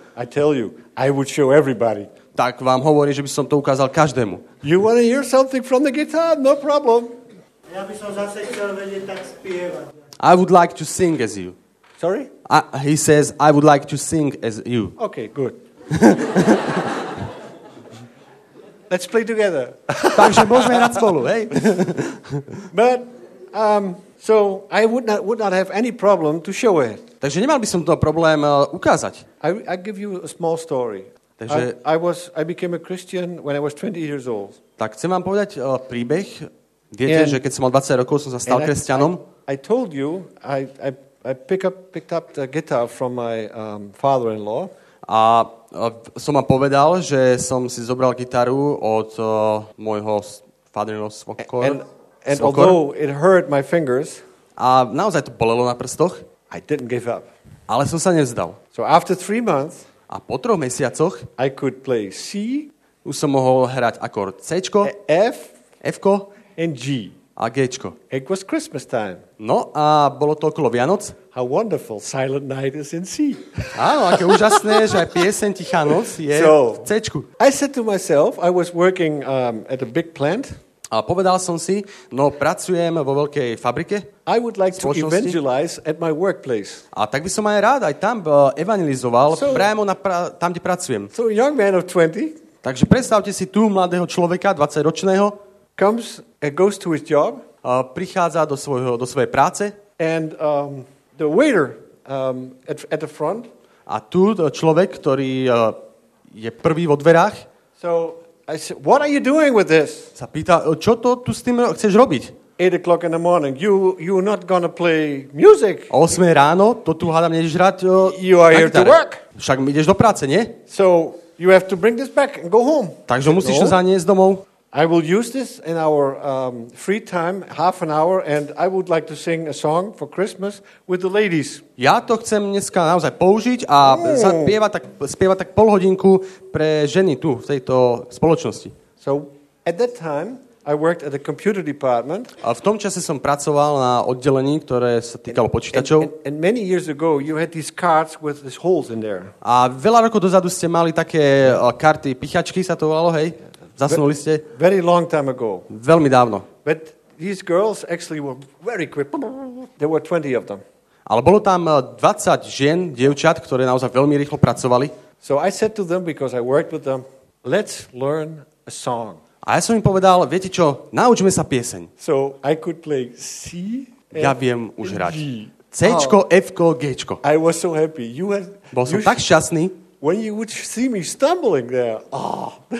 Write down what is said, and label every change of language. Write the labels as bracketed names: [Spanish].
[English] I tell you, I would show everybody. [Slovak] Tak vám hovorím, že by som to ukázal každému. [English] You want to hear something from the guitar? No problem. [Slovak] Ja by som zase chcel vedieť tak spievať. [English] I would like to sing as you. Sorry? He says I would like to sing as you. Okay, good. Let's play together. [Slovak] Takže môžeme hrať spolu, hej? [English] But so I would not have any problem to show it. [Slovak] Takže nemal by som to problém ukázať. [English] I give you a small story. [Slovak] Takže [English] I became a Christian when I was 20 years old. [Slovak] Tak chcem vám povedať príbeh. Viete, že keď som mal 20 rokov, som sa stal kresťanom. [English] I told you I picked up the guitar from my father-in-law. [Slovak] A som vám povedal, že som si zobral gitaru od môjho [English] father-in-law [Slovak] svokor. [English] And although it hurt my fingers, [Slovak] a naozaj to bolelo na prstoch, [English] I didn't give up. [Slovak] Ale som sa nevzdal. [English] So after 3 months, [Slovak] a po 3 mesiacoch, [English] I could play C, [Slovak] už som mohol hrať akord C-čko, F-ko [English] and G, [Slovak] a G-čko. [English] It was Christmas time. [Slovak] No a bolo to okolo Vianoc. [English] How wonderful, Silent Night is in C. [Slovak] Áno, aké úžasné, že aj pieseň Tichá noc je [English] so, [Slovak] v C-čku. [English] I said to myself, I was working at a big plant. [Slovak] A povedal som si, no pracujem vo veľkej fabrike. [English] I would like to evangelize at my workplace. [Slovak] A tak by som aj rád aj tam evangelizoval, priamo tam, kde pracujem. [English] So young man of 20. [Slovak] Takže predstavte si tu mladého človeka, 20-ročného. [English] Comes and goes to his job. [Slovak] Prichádza do svojej práce. [English] And the waiter at the front. [Slovak] A tu človek, ktorý je prvý vo dverách. [English] So I said, what are you doing with this? [Slovak] Sa pýta, čo to tu s tým chceš robiť? [English] 8 o'clock in the morning. You're not gonna play music. [Slovak] O 8 ráno, to tu hádam nejdeš hrať. [English] You are here to work. [Slovak] Však ideš do práce, nie? [English] So you have to bring this back and go home. [Slovak] Takže musíš to zaniesť domov. [English] I will use this in our free time, half an hour, and I would like to sing a song for Christmas with the ladies. [Slovak] Ja to chcem dneska naozaj použiť a spievať tak pol hodinku pre ženy tu, v tejto spoločnosti. [English] So, at that time, I worked at the computer department. [Slovak] A v tom čase som pracoval na oddelení, ktoré sa týkalo počítačov. [English] And many years ago, you had these cards with these holes in there. [Slovak] A veľa rokov dozadu ste mali také karty, pichačky sa to volalo, hej? Zasnuli ste? [English] Very long time ago. [Slovak] Veľmi dávno. [English] But these girls actually were very quick. There were 20 of them. [Slovak] Ale bolo tam 20 žien, dievčat, ktoré naozaj veľmi rýchlo pracovali. [English] So I said to them, because I worked with them, let's learn a song. [Slovak] A ja som im povedal, viete čo, naučme sa pieseň. [English] So I could play C and [Slovak] ja viem už hrať. C-čko, F-ko, G-čko. [English] I was so happy. You had, [Slovak] bol som tak šťastný. [English] When you would see me stumbling there. Oh.